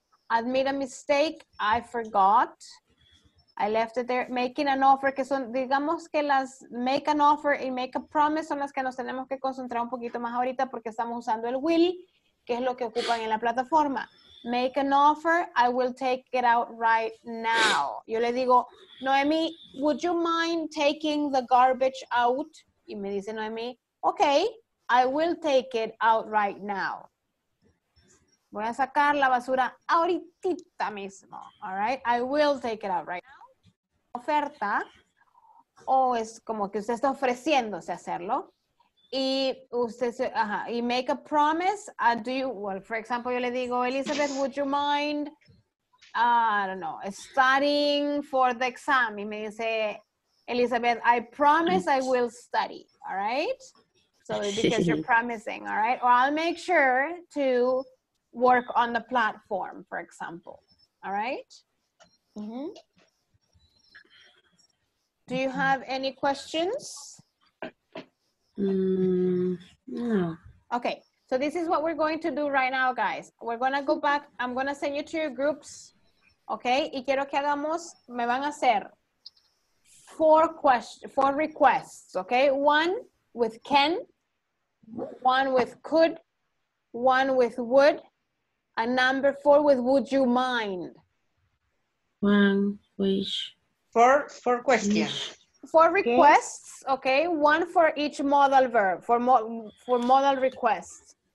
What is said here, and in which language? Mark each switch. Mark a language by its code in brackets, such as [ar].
[en] Admit a mistake. I forgot. I left it there. Making an offer. [es] Que son, digamos que las [en] make an offer [es] y [en] make a promise [es] son las que nos tenemos que concentrar un poquito más ahorita porque estamos usando el will, que es lo que ocupan en la plataforma. [en] Make an offer, I will take it out right now. [es] Yo le digo, [en] Noemi, would you mind taking the garbage out? [es] Y me dice [en] Noemi, okay, I will take it out right now. [es] Voy a sacar la basura ahorita mismo, [en] all right? I will take it out right now. [es] Oferta, o es como que usted está ofreciéndose hacerlo. Y usted se, y [en] make a promise, do you, well, for example, [es] yo le digo, [en] Elizabeth, would you mind, I don't know, studying for the exam? [es] Y me dice, [en] Elizabeth, I promise I will study, all right? So because you're promising, all right? Or I'll make sure to work on the platform, for example, all right? Do you have any questions? No. Okay, so this is what we're going to do right now, guys. We're going to go back. I'm going to send you to your groups. [es] Okay, y quiero que hagamos, me van a hacer [en] four requests. Okay, one with can, one with could, one with would, and number four with would you mind. One wish. Four questions. Wish. Four requests, okay? One for each modal verb, for modal requests.